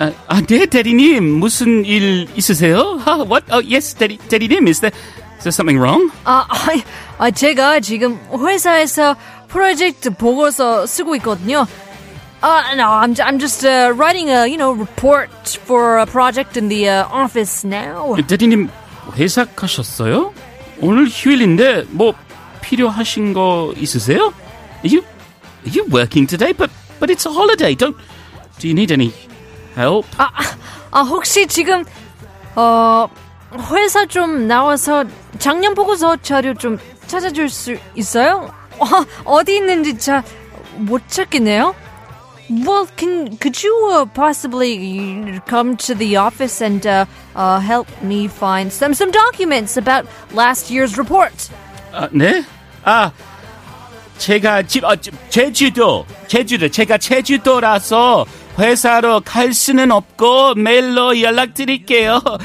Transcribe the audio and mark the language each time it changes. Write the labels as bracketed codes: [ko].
[ko] 아네 대리님 무슨 일 있으세요? [en] What? Oh yes, 대리님. Is there something wrong? [ko] 제가 지금 회사에서 프로젝트 보고서 쓰고 있거든요. [en] No, I'm just writing a you know report for a project in the office now. [ko] 대리님. 회사 가셨어요? 오늘 휴일인데 뭐 필요하신 거 있으세요? [en] Are you working today? But it's a holiday. Do you need any help? [ko] 혹시 지금 회사 좀 나와서 작년 보고서 자료 좀 찾아줄 수 있어요? 어디 있는지 잘 못 찾겠네요. [en] Well, could you possibly come to the office and help me find some documents about last year's report? [ko] 네? 제가 제주도 제가 제주도라서 회사로 갈 수는 없고 메일로 연락드릴게요.